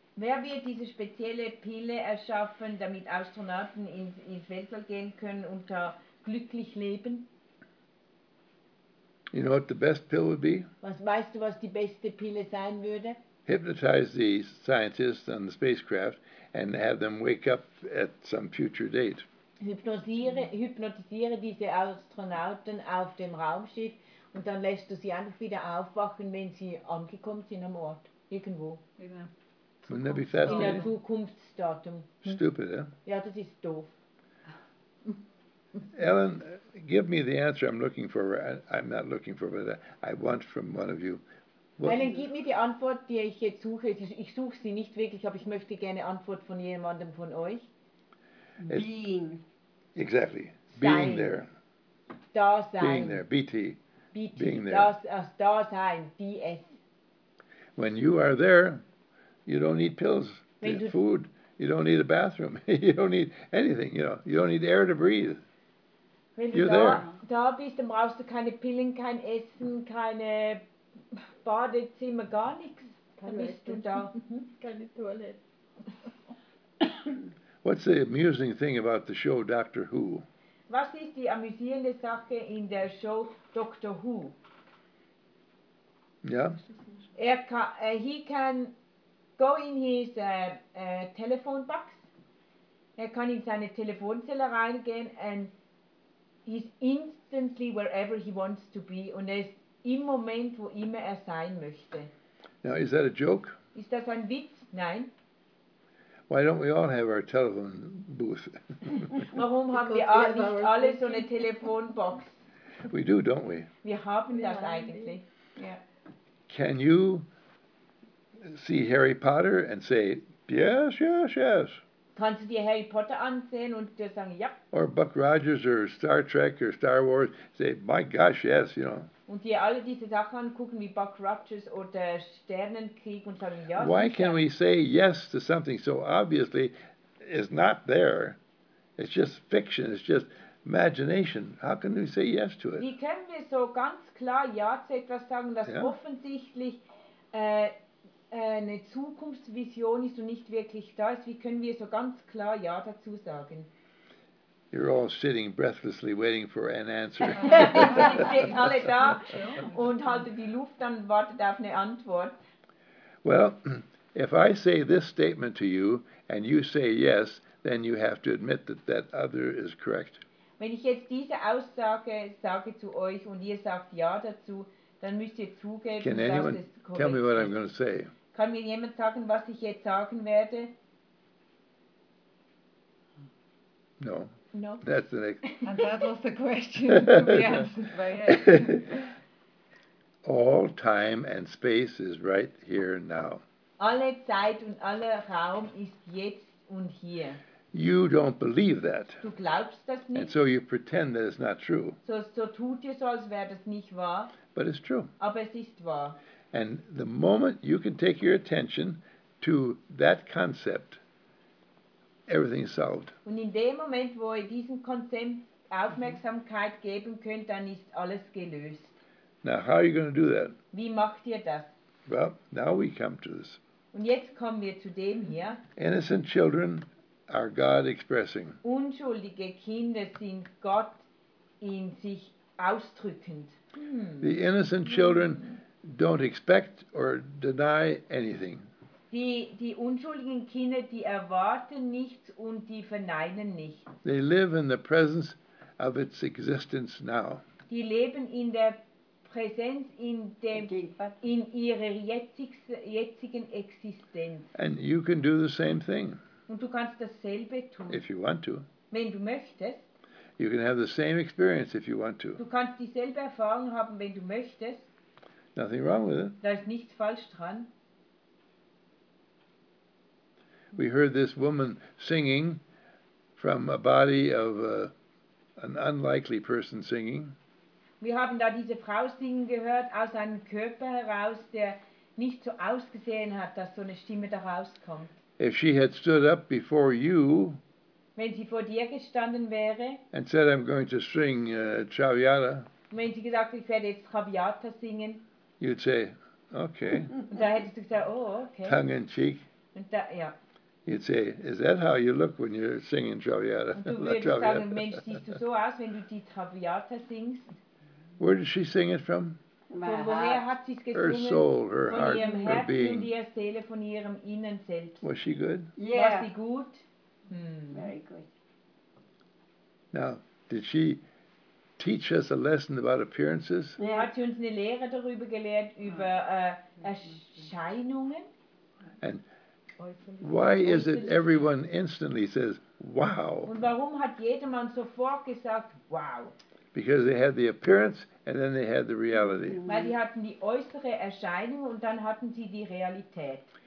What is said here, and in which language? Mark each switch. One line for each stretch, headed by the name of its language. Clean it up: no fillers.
German: Wer wird diese spezielle Pille erschaffen, damit Astronauten ins Weltall gehen können und da glücklich leben?
English: You know what the best pill would be?
German: Was weißt du, was die beste Pille sein würde?
English: Hypnotize the scientists on the spacecraft and have them wake up at some future date.
German: Hypnotisiere diese Astronauten auf dem Raumschiff und dann lässt du sie einfach wieder aufwachen, wenn sie angekommen sind am Ort, irgendwo.
English: Wouldn't that be fascinating?
German: In der Zukunftsdatum.
English: Stupid, eh?
German: Ja, das ist doof.
English: Ellen, give me the answer I'm looking for. I'm not looking for, but I want from one of you.
German: Ellen, gib mir die Antwort, die ich jetzt suche. Ich suche sie nicht wirklich, aber ich möchte gerne Antwort von jemandem von euch.
English: Being. Exactly.
German: Sein.
English: Being there.
German: Da sein.
English: Being there. BT. BT. Being there.
German: Da sein. DS.
English: When you are there, you don't need pills, food. You don't need a bathroom. You don't need anything. You know. You don't need air to breathe.
German: Wenn
English: You're
German: da,
English: there.
German: Da bist, dann brauchst du keine Pillen, kein Essen, keine Badezimmer, gar nichts. Dann bist du da. Keine Toilette.
English: What's the amusing thing about the show Doctor Who?
German: Was ist die amüsierende Sache in der Show Doctor Who?
English: Yeah. He can go in his telephone box
German: Er kann in seine Telefonzelle reingehen
English: and he's instantly wherever he wants to be.
German: Und er ist im Moment, wo immer er sein möchte.
English: Now, is that a joke?
German: Ist das ein Witz? Nein.
English: Why don't we all have our telephone booth?
German: Warum haben wir nicht alle so eine Telefonbox?
English: We do, don't we?
German: Wir haben das eigentlich.
English: Can you see Harry Potter and say, yes, yes, yes?
German: Kannst du dir Harry Potter ansehen und dir sagen, ja?
English: Or Buck Rogers or Star Trek or Star Wars, say, my gosh, yes, you know.
German: Und dir alle diese Sachen angucken wie Buck Rogers oder Sternenkrieg und sagen, ja.
English: Why can we say yes to something so obviously is not there? It's just fiction, it's just imagination. How can we say yes to it?
German: Wie können wir so ganz klar ja zu etwas sagen, das offensichtlich eine Zukunftsvision ist und nicht wirklich da ist? Wie können wir so ganz klar ja dazu sagen?
English: You're all sitting breathlessly waiting for an answer.
German: Alle da und halten die Luft an, wartet auf eine Antwort.
English: Well, if I say this statement to you and you say yes, then you have to admit that that other is correct.
German: Wenn ich jetzt diese Aussage sage zu euch und ihr sagt ja dazu, dann müsst ihr zugeben, dass es korrekt ist.
English: Tell me what I'm going to say.
German: Kann mir jemand sagen, was ich jetzt sagen werde?
English: No. No. That's the next. And that was the question to be answered by him. All time and space is right here now.
German: Alle Zeit und aller Raum ist jetzt und hier.
English: You don't believe that.
German: Du glaubst das nicht.
English: And so you pretend that it's not true.
German: So tut ihr so, als wäre das nicht wahr.
English: But it's true.
German: Aber es ist wahr.
English: And the moment you can take your attention to that concept, everything is solved.
German: Und in dem Moment, wo ihr diesem Konzept Aufmerksamkeit geben könnt, dann ist alles gelöst.
English: Now, how are you going to do that?
German: Wie macht ihr das?
English: Well, now we come to this.
German: Und jetzt kommen wir zu dem hier.
English: Innocent children are God expressing.
German: Unschuldige Kinder sind Gott in sich ausdrückend.
English: The innocent children don't expect or deny anything.
German: Die unschuldigen Kinder, die erwarten nichts und die verneinen nichts.
English: They live in the presence of its existence now.
German: Die leben in der Präsenz, in dem, in ihrer jetzigen Existenz.
English: And you can do the same thing.
German: Und du kannst dasselbe tun.
English: If you want to.
German: Wenn du möchtest.
English: You can have the same experience if you want to.
German: Du kannst dieselbe Erfahrung haben, wenn du möchtest.
English: Nothing wrong with it.
German: Da ist nichts falsch dran.
English: We heard this woman singing from a body of an unlikely person singing.
German: Wir haben da diese Frau singen gehört aus einem Körper heraus, der nicht so ausgesehen hat, dass so eine Stimme da rauskommt.
English: If she had stood up before you,
German: wenn sie vor dir gestanden wäre,
English: and said, "I'm going to sing Traviata,"
German: wenn sie gesagt hätte, ich werde jetzt Traviata singen,
English: you'd say, "Okay."
German: Und da hättest du gesagt, "Oh, okay."
English: Tongue in cheek.
German: Und da, ja.
English: You'd say, "Is that how you look when you're singing Traviata?"
German: Und du würdest sagen, Mensch, siehst du so aus, wenn du die Traviata singst?
English: Where did she sing it from?
German: Von woher hat sie es gesungen?
English: Her soul, her
German: von
English: heart,
German: ihrem
English: her being.
German: Von ihrer Seele, von ihrem Innen selbst.
English: Was she good? Yeah.
German: War sie gut?
English: Very good. Now, did she teach us a lesson about appearances? Yeah.
German: Hat sie uns eine Lehre darüber gelehrt, über Erscheinungen?
English: And why is it everyone instantly says, wow?
German: Und warum hat jedermann sofort gesagt, wow?
English: Because they had the appearance and then they had the reality.
German: Weil sie hatten die äußere Erscheinung und dann hatten sie die Realität.